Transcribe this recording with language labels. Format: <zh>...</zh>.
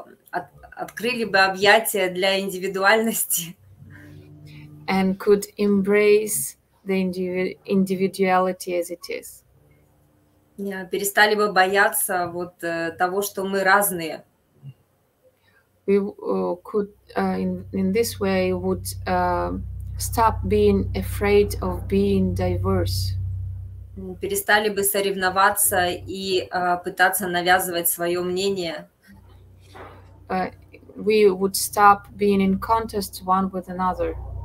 <ru>Открыли бы объятия для индивидуальности.</ru> <en>And could embrace the individuality as it is.</en> <ru>Yeah, перестали бы бояться вот того, что мы разные.</ru> <en>We could in this way would stop being afraid of being diverse.</en> <ru>Перестали бы соревноваться и пытаться навязывать свое мнение.</ru> <en>We would stop being in contest one with another.</en>